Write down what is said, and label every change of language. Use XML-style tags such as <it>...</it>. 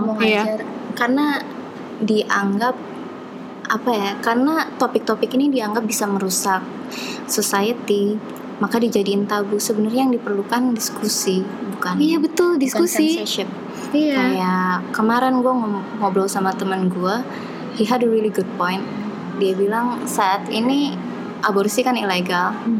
<id>Kita gak mau ngajar, karena dianggap apa ya, karena topik-topik ini dianggap bisa merusak society, maka dijadiin tabu. Sebenarnya yang diperlukan diskusi, bukan. Iya betul, diskusi. Bukan censorship. Iya. Kayak kemarin gue ngobrol sama teman gue,</id> <en>he had a really good point.</en> <id>Dia bilang saat ini aborsi kan ilegal.</id>